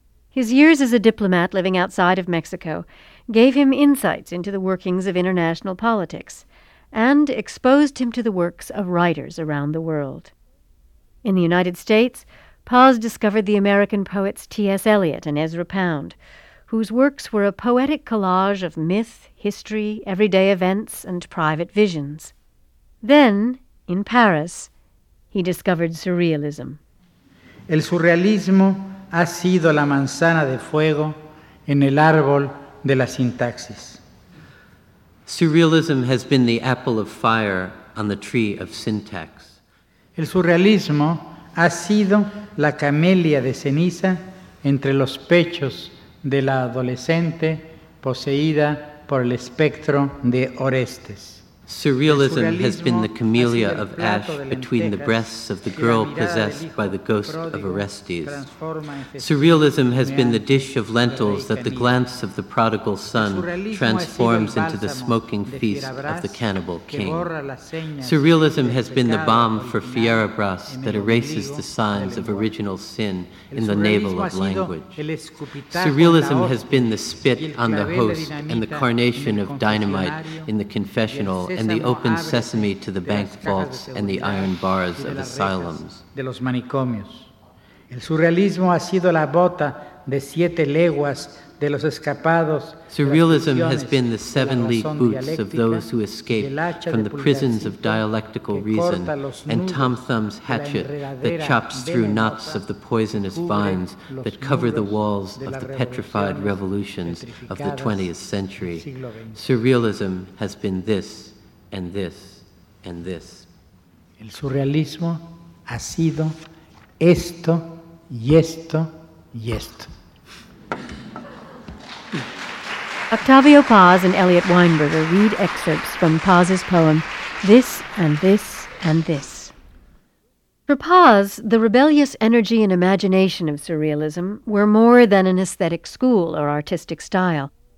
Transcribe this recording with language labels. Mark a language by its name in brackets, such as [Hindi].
[English] His years as a diplomat living outside of Mexico gave him insights into the workings of international politics and exposed him to the works of writers around the world. In the United States, Paz discovered the American poets T.S. Eliot and Ezra Pound, whose works were a poetic collage of myth, history, everyday events, and private visions. Then, in Paris, he discovered surrealism. [Spanish] El surrealismo ha sido la manzana de fuego en el árbol de la sintaxis. [English] Surrealism has been the apple of fire on the tree of syntax. [Spanish] El surrealismo ha sido la camelia de ceniza entre los pechos de la adolescente poseída por el espectro de Orestes. [English] Surrealism has been the camellia of ash between the breasts of the girl possessed by the ghost of Orestes. Surrealism has been the dish of lentils that the glance of the prodigal son transforms into the smoking feast of the cannibal king. Surrealism has been the balm for fierabras that erases the signs of original sin in the navel of language. Surrealism has been the spit on the host and the carnation of dynamite in the confessional and the open sesame to the bank vaults and the iron bars of asylums. [Spanish] De los manicomios. El surrealismo ha sido la bota de siete leguas de los escapados. [English] Surrealism has been the seven-league boots of those who escape from the prisons of dialectical reason and Tom Thumb's hatchet that chops through knots of the poisonous vines that cover the walls of the petrified revolutions of the 20th century. Surrealism has been this and this, and this. [Spanish] El surrealismo ha sido esto, y esto, y esto. [English] Octavio Paz and Elliot Weinberger read excerpts from Paz's poem, This and This and This. For Paz, the rebellious energy and imagination of surrealism were more than an aesthetic school or artistic style.